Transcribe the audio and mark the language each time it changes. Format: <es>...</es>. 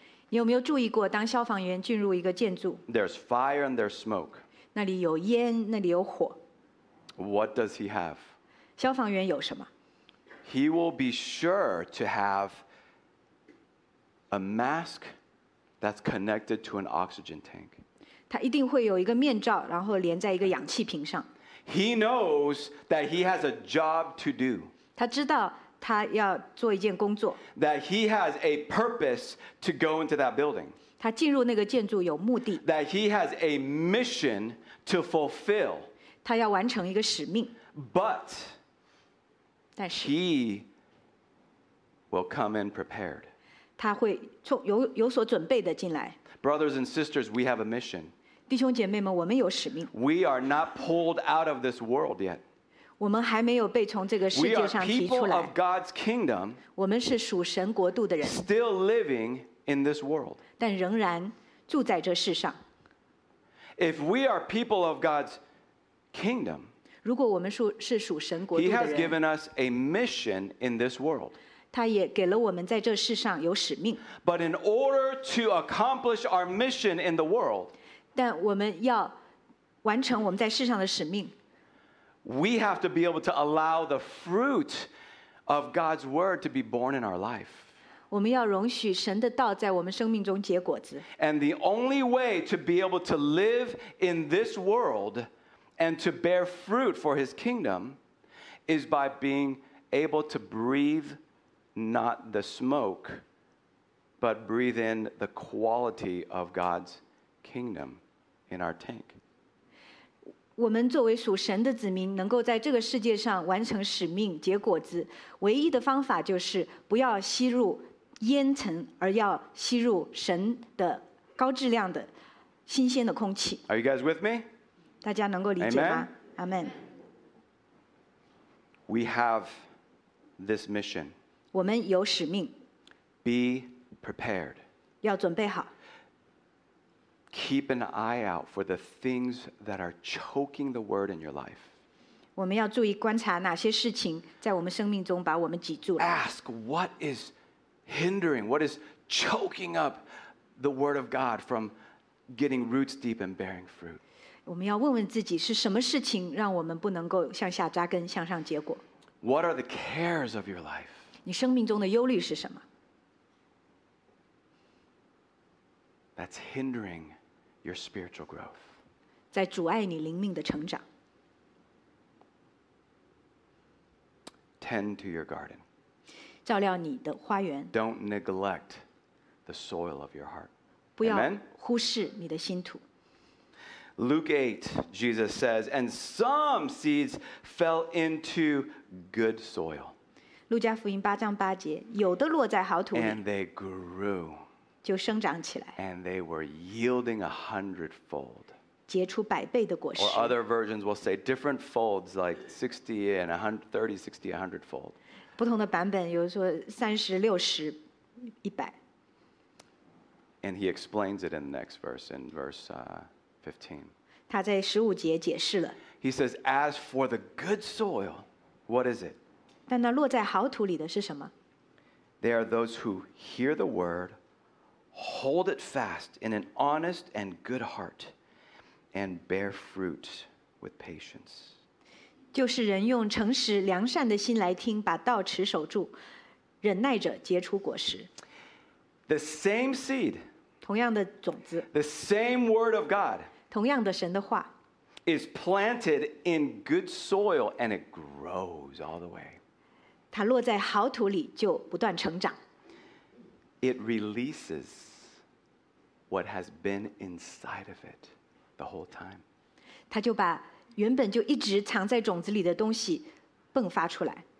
<zh>你有没有注意过当消防员进入一个建筑？</zh> <en>There's fire and there's smoke.</en> <zh>那里有烟，那里有火。</zh> <en>What does he have?</en> <zh>消防员有什么？</zh> <en>He will be sure to have a mask that's connected to an oxygen tank.</en> <zh>他一定会有一个面罩，然后连在一个氧气瓶上。</zh> <en>He knows that he has a job to do.</en> <zh>他知道他要做一件工作。</zh> <en>That he has a purpose to go into that building.</en> <zh>他进入那个建筑有目的。</zh> <en>That he has a mission to fulfill.</en> <zh>他要完成一个使命。</zh> <en>But,</en> <zh>但是</zh> <en>he will come in prepared.</en> <zh>他会有所准备的进来。</zh> <en>Brothers and sisters, we have a mission.</en> <zh>弟兄姐妹们，我们有使命。</zh> <en>We are not pulled out of this world yet.</en> <zh>我们还没有被从这个世界上提出来。</zh> <en>We are people of God's kingdom.</en> <zh>我们是属神国度的人。</zh> <en>Still living in this world.</en> <zh>但仍然住在这世上。</zh> <en>If we are people of God's kingdom,</en> <zh>如果我们是属神国度的人，</zh> <en>He has given us a mission in this world.</en> <zh>他也给了我们在这世上有使命。</zh> <en>But in order to accomplish our mission in the world,</en> <zh>但我们要完成我们在世上的使命，</zh> <en>we have to be able to allow the fruit of God's word to be born in our life.</en> <zh>我们要容许神的道在我们生命中结果子。</zh> <en>And the only way to be able to live in this world and to bear fruit for his kingdom is by being able to breathe not the smoke, but breathe in the quality of God's kingdom in our tank.</en> <zh>我们作为属神的子民，能够在这个世界上完成使命、结果子，唯一的方法就是不要吸入烟尘，而要吸入神的高质量的、新鲜的空气。</zh> <en>Are you guys with me?</en> <zh>大家能够理解吗？</zh> <en>Amen. Amen. We have this mission.</en> <zh>我们有使命。</zh> <en>Be prepared.</en> <zh>要准备好。</zh> <en>Keep an eye out for the things that are choking the word in your life.</en> <zh>我们要注意观察哪些事情在我们生命中把我们挤住了。</zh> <en>Ask what is hindering, what is choking up the word of God from getting roots deep and bearing fruit.</en> <zh>我们要问问自己是什么事情让我们不能够向下扎根，向上结果。</zh> <en>What are the cares of your life?</en> <zh>你生命中的忧虑是什么？</zh> <en>That's hindering your spiritual growth.</en> <zh>在阻碍你灵命的成长。</zh> <en>Tend to your garden.</en> <zh>照料你的花园。</zh> <en>Don't neglect the soil of your heart.</en> <zh>不要忽视你的心土。</zh> <en>Luke 8, Jesus says, and some seeds fell into good soil.</en> <zh>路加福音八章八节，有的落在好土里。</zh> <en>And they grew.</en> <zh>就生长起来。</zh> <en>And they were yielding a hundredfold.</en> <zh>结出百倍的果实。</zh> <en>Or other versions will say different folds, like 60 and 130, 60, 100 fold.</en> <zh>不同的版本有说30、60、100。</zh> <en>And he explains it in the next verse, in verse 15.</en> <zh>他在十五节解释了。</zh> <en>He says, as for the good soil, what is it?</en> <zh>但那落在好土里的是什么？</zh> <en>They are those who hear the word,Hold it fast in an honest and good heart, and bear fruit with patience.</en> <zh>就是人用诚实良善的心来听，把道持守住，忍耐着结出果实。</zh> <en>The same seed,</en> <zh>同样的种子。</zh> <en>The same word of God,</en> <zh>同样的神的话。</zh> <en>Is planted in good soil and it grows all the way.</en> <zh>它落在好土里就不断成长。</zh> <en>It releases what has been inside of it the whole time.</en> <zh>它就把原本就一直藏在种子里的东西迸发出来。</zh>